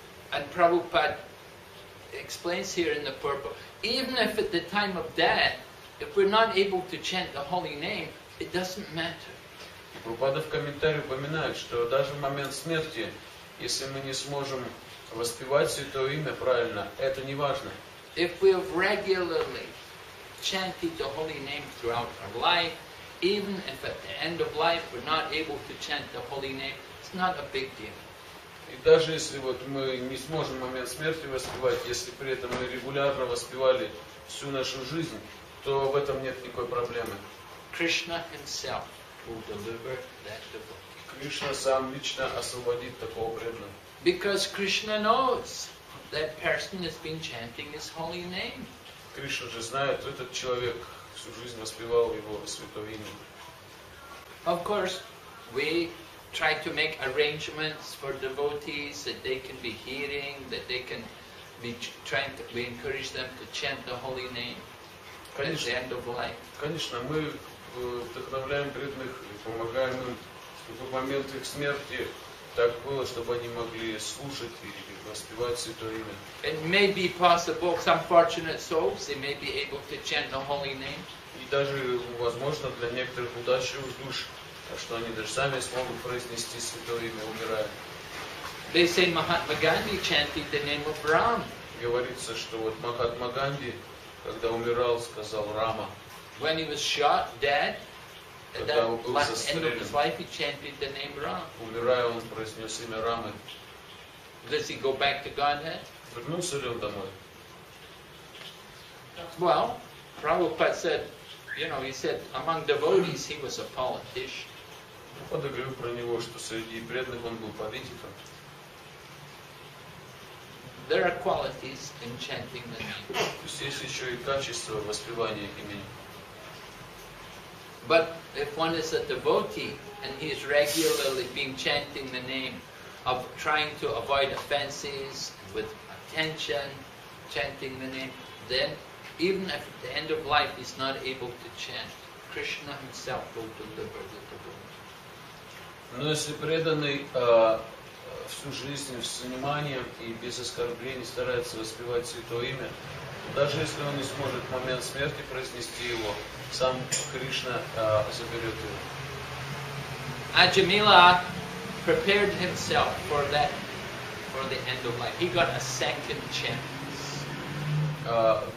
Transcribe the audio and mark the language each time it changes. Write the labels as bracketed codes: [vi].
[en] And Prabhupada explains here in the purport, even if at the time of death If we're not able to chant the holy name, it doesn't matter. [ru] Прабхупада в комментарии упоминает, что даже в момент смерти, если мы не сможем воспевать Святое Имя правильно, это не важно. [en] If we have regularly chanted the holy name throughout our life, even if at the end of life we're not able to chant the holy name, it's not a big deal. [ru] И даже если вот мы не сможем в момент смерти воспевать, если при этом мы регулярно воспевали всю нашу жизнь, то в этом нет никакой проблемы. [en] Krishna himself will deliver that devotee. [ru] Кришна сам лично освободит такого преданного. [en] Because Krishna knows that person has been chanting his holy name. [ru] Кришна же знает, этот человек всю жизнь воспевал его святое имя. [en] Of course, we try to make arrangements for devotees that they can be hearing, that they can be trying to, we encourage them to chant the holy name. [ru] Конечно, [en] at the end of life. [ru] Конечно, мы вдохновляем преданных и помогаем им, чтобы в момент их смерти так было, чтобы они могли слушать и воспевать Святое Имя. [en] It may be possible some fortunate souls they may be able to chant the holy name. [ru] И даже возможно для некоторых удачливых душ, что они даже сами смогут произнести Святое Имя, умирая. [en] They say Mahatma Gandhi chanted the name of Ram. [ru] Говорится, что вот Махатма Ганди, когда умирал, сказал Рама. [en] When he was shot dead, at the end of his life, he chanted the name Rama. Does he go back to Godhead? [ru] Вернулся ли он домой? [en] Well, Prabhupada said, you know, he said among devotees he was a politician. [ru] Прабхупада говорил про него, что среди преданных он был политиком. [en] There are qualities in chanting the name. [ru] То есть есть еще и качество воспевания имени. [en] But if one is a devotee and he is regularly being chanting the name of trying to avoid offenses with attention, chanting the name, then even if at the end of life he's not able to chant, Krishna himself will deliver the devotee. [ru] Но если преданный всю жизнь с вниманием и без оскорблений старается воспевать Святое Имя, даже если он не сможет в момент смерти произнести его, сам Кришна заберет его. [en] Аджамила prepared himself for that, for the end of life. He got a second chance.